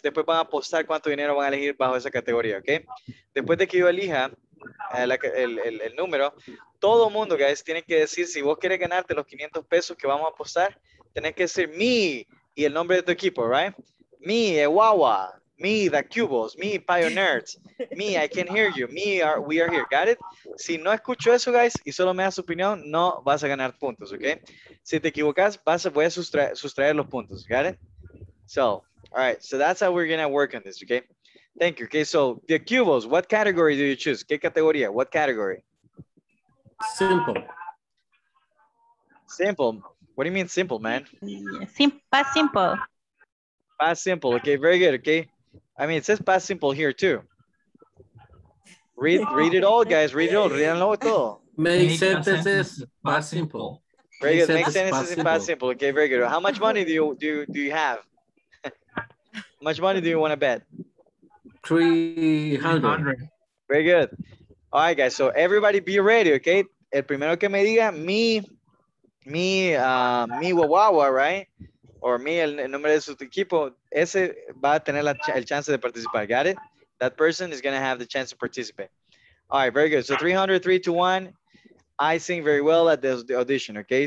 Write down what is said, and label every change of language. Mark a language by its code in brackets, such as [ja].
[es] Después van a apostar cuánto dinero van a elegir bajo esa categoría, ¿ok? Después de que yo elija el número, todo mundo, guys, tiene que decir, si vos querés ganarte los 500 pesos que vamos a apostar, tenés que decir me y el nombre de tu equipo, right? [en] Me, Ewawa. Me, the Cubos. Me, Pioneers. Me, I can hear you. Me, we are here. Got it? [es] Si no escucho eso, guys, y solo me das su opinión, no vas a ganar puntos, ¿ok? Si te equivocas, voy a sustraer los puntos. [en] Got it? So, all right, so that's how we're going to work on this, okay? Thank you, okay? So, the Cubos, what category do you choose? [es] ¿Qué categoría? [en] What category? Simple. Simple? What do you mean simple, man? Pas simple. Pas simple, okay, very good, okay? I mean, it says pas simple here, too. Read it all, guys, read it all. Read it all. Make sentences pas simple. Very good, make sentences in pas simple, okay, very good. How much money do you have? How much money do you want to bet? 300. Very good. All right, guys. So everybody be ready, okay? [es] El primero que me diga, mi wawawa, [en] right? [es] Or me, el nombre de su equipo, ese va a tener el chance de participar. [en] Got it? That person is going to have the chance to participate. All right, very good. So 300, 3-1. I sing very well at the audition, okay?